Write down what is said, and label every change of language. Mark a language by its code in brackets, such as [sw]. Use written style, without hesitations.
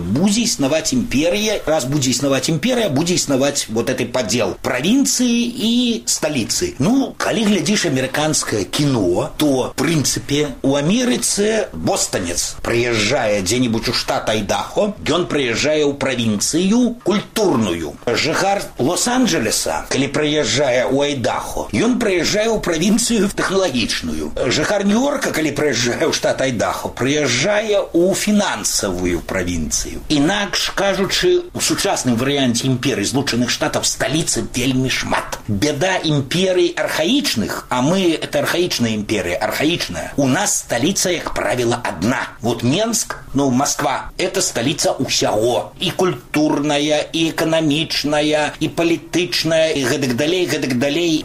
[be] Будзе існаваць империя, раз будзе існаваць империя, будзе існаваць вот этот падзел провинции и столицы. [ru] Ну, коли глядишь американское кино, то, в принципе, у Америцы бостонец приезжая где-нибудь у штата Айдахо, он приезжает в провинцию культурную. Жыхар Лос-Анджелеса, коли приезжая у Айдахо, он приезжает в провинцию технологичную. Жыхар Нью-Йорка, коли приезжая у штата Айдахо, приезжая у финансовую провинцию. Инакш, кажучи, в сучасным варианте империи, [be] імпер злучаных штатаў сталіцы вельмі шмат. Беда імперый архаічных, а мы это архаічная імперія, архаічная. У нас сталіца, як правіла, адна. Вот Менск, ну, Москва это сталіца ўсяго, і культурная, і эканамічная, і палітычная, і гэтак далей, гэтак далей.